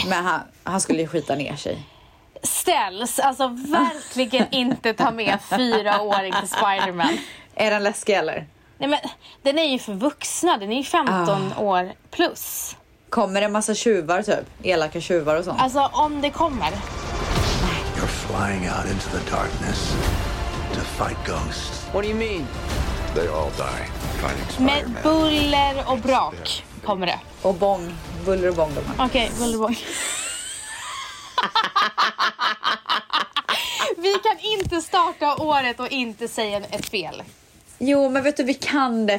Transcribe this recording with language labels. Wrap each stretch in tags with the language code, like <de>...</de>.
<sv>Men han skulle ju skita ner sig. Ställs, alltså verkligen inte ta med 4-åring till Spider-Man. Är den läskig eller? Nej men, den är ju för vuxna, den är ju 15 år plus. Kommer en massa tjuvar typ, elaka tjuvar och sånt? Alltså, om det kommer.</sv> <en>You're flying out into the darkness to fight ghosts. What do you mean? They all die fighting Spider-Man.</en> <sv>Med buller och brak kommer det. Och bång, buller och bång. Okej, buller och bång. Vi kan inte starta året och inte säga ett fel. Jo, men vet du, vi kan det.</sv>